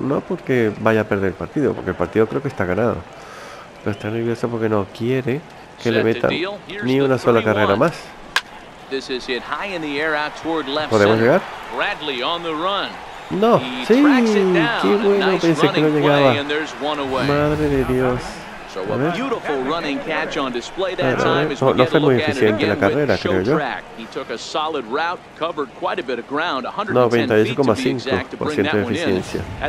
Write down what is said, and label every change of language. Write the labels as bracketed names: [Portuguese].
[Spanish] No porque vaya a perder el partido, porque el partido creo que está ganado. Pero está nervioso porque no quiere que le metan ni una sola carrera más. [English] This is hit high in the air out toward left. [Spanish] ¿Podemos llegar? [English] Bradley on the run. [Spanish] No, he sí, qué bueno, nice, pensé que no llegaba. Madre de Dios. A ver. [English] Beautiful running catch on display that time. [Spanish] No fue muy eficiente la carrera, creo yo. [English] He took a solid route, covered quite a bit of ground, 98.5% [Spanish] de eficiencia.